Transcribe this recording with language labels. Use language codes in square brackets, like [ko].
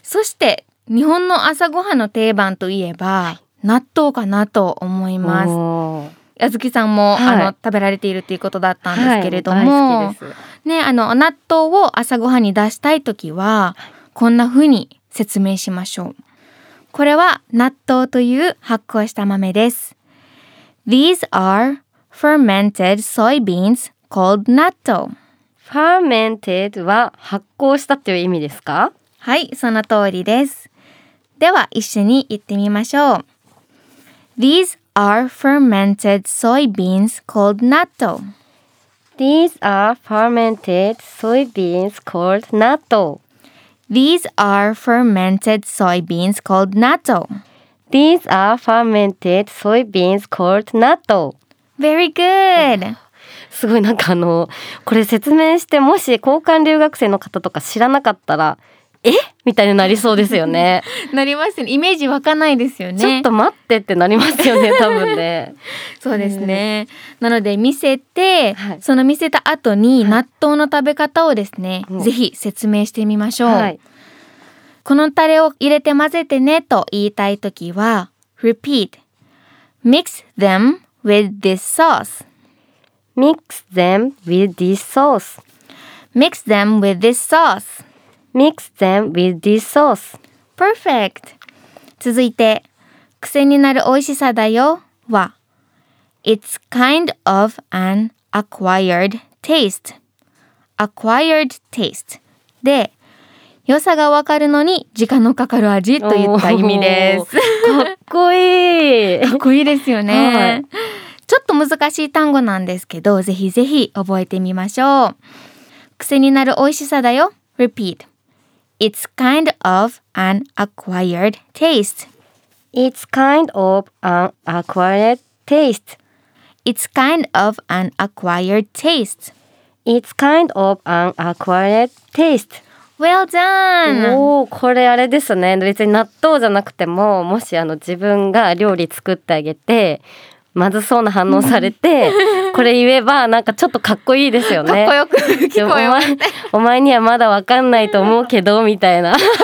[ja] そして日本の朝ごはんの定番といえば、はい、納豆かなと思います。あずきさんも、はい、食べられているということだったんですけれども、はい、ね、納豆を朝ごはんに出したいときはこんな風に説明しましょう。これは納豆という発酵した豆です。 [en] These are fermented soybeans called natto. [ja] Fermented は発酵したっていう意味ですか？はい、その通りです。では一緒に言ってみましょう。 [en] These are fermented soybeans called natto. These are fermented soybeans called natto. These are fermented soybeans called natto. These are fermented soybeans called natto. Very good. [ja] すごい、なんかこれ説明してもし交換留学生の方とか知らなかったら、え？みたいになりそうですよね。なりますね。イメージ湧かないですよね。ちょっと待ってってなりますよね、多分ね。そうですね。なので見せて、はい、その見せた後に納豆の食べ方をですね、はい、ぜひ説明してみましょう、はい。このタレを入れて混ぜてねと言いたいときは、 [en] Repeat. Mix them with this sauce. Mix them with this sauce. Mix them with this sauce. Mix them with this sauce. Perfect. [ja] 続いて、癖になる美味しさだよは。 [en] It's kind of an acquired taste. Acquired taste. [ja] で、良さがわかるのに時間のかかる味といった意味です。かっこいい。かっこいいですよね。ちょっと難しい単語なんですけど、ぜひぜひ覚えてみましょう。癖になる美味しさだよ。 [en] Repeat. It's kind of an acquired taste. It's kind of an acquired taste. It's kind of an acquired taste. It's kind of an acquired taste. Well done! [ja] おー、これあれですね。別に納豆じゃなくても、もし自分が料理作ってあげて、まずそうな反応されて、これ言えば、なんかちょっとかっこいいですよね。かっこよく聞こえます。お前にはまだわかんないと思うけど、みたいな。